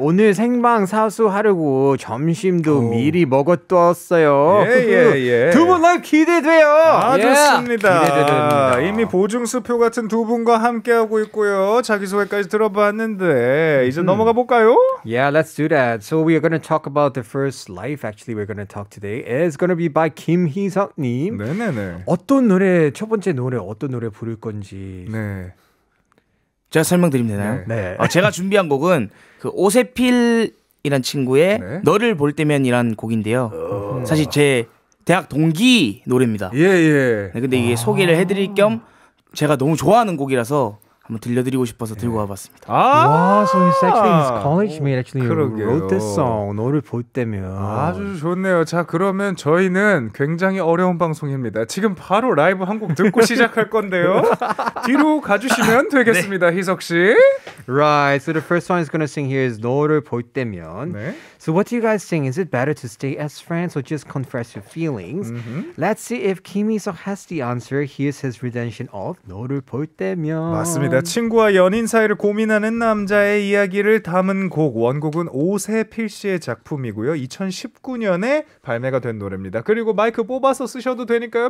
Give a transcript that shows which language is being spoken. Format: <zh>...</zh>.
<ko>오늘 생방 사수하려고 점심도 미리 먹었뒀어요. 두 분 라이브 기대돼요. 좋습니다. 이미 보증 수표 같은 두 분과 함께하고 있고요. 자기소개까지 들어봤는데 이제 넘어가 볼까요?</ko> <en>Yeah, let's do that. So we are going to talk about the first life actually we're going to talk today. It's going to be by Kim Hee-sung 님.</en> <ko>네네네. 어떤 노래, 첫 번째 노래 어떤 노래 부를 건지. 네. 제가 설명드리면 되나요? 네. 제가 준비한 곡은 그 오세필이란 친구의 네. 너를 볼 때면이란 곡인데요. 사실 제 대학 동기 노래입니다. 예예. 네, 근데 이게 소개를 해드릴 겸 제가 너무 좋아하는 곡이라서 한번 들려드리고 싶어서 들고 와봤습니다.</ko> <en>와, so he's actually his college mate actually wrote this song. 너를 볼 때면.</en> <ko>아주 좋네요. 자, 그러면 저희는 굉장히 어려운 방송입니다. 지금 바로 라이브 한 곡 듣고 시작할 건데요. 뒤로 가주시면 되겠습니다, 네. 희석 씨.</ko> <en>Right, so the first one is gonna sing here is 너를 볼 때면.</en> <ko>네.</ko> <en>So what do you guys think? Is it better to stay as friends or just confess your feelings? Mm-hmm. Let's see if Kim Hee-sung has the answer. Here's his redemption of 너를 볼 때면.</en> <ko>맞습니다. 친구와 연인 사이를 고민하는 남자의 이야기를 담은 곡. 원곡은 오세필 씨의 작품이고요. 2019년에 발매가 된 노래입니다. 그리고 마이크 뽑아서 쓰셔도 되니까요.</ko>